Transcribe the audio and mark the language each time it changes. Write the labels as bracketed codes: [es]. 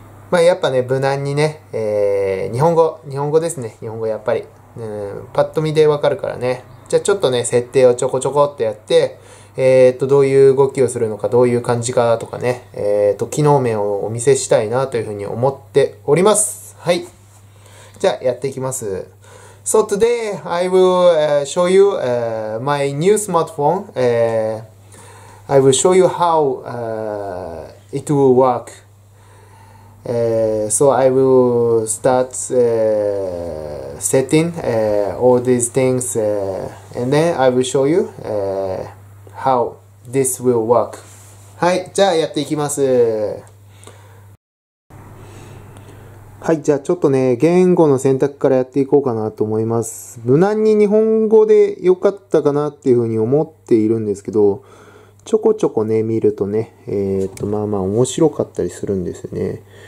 [ja] まあやっぱね、無難にね、日本語ですね、日本語やっぱり。うん、パッと見でわかるからね。じゃあちょっとね、設定をちょこちょこっとやって、どういう動きをするのか、どういう感じかとかね、機能面をお見せしたいなというふうに思っております。はい。じゃあやっていきます。 [en] So today, I will show you my new smartphone. I will show you how it will work. So I will start setting all these things and then I will show you how this will work. [ja] はい、じゃあやっていきます。はい、じゃあちょっとね、言語の選択からやっていこうかなと思います。無難に日本語でよかったかなっていうふうに思っているんですけど、ちょこちょこね見るとね、まあまあ面白かったりするんですよね。